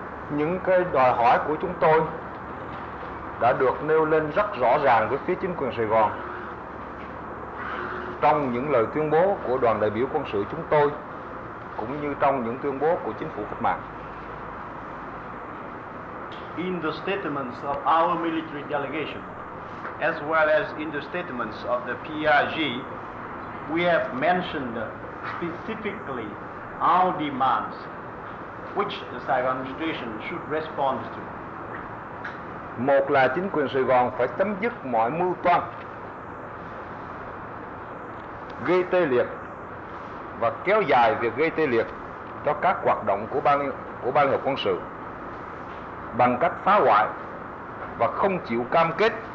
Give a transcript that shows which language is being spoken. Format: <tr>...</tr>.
<vi>những cái đòi hỏi của chúng tôi đã được nêu lên rất rõ ràng với phía chính quyền Sài Gòn trong những lời tuyên bố của đoàn đại biểu quân sự chúng tôi, cũng như trong những tuyên bố của chính phủ cách mạng.</vi> <en>In the statements of our military delegation, as well as in the statements of the PRG, we have mentioned specifically our demands, which the Saigon administration should respond to.</en> <vi>Một là chính quyền Sài Gòn phải chấm dứt mọi mưu toan gây tê liệt và kéo dài việc gây tê liệt cho các hoạt động của Ban Liên Hợp Quân sự bằng cách phá hoại và không chịu cam kết</vi>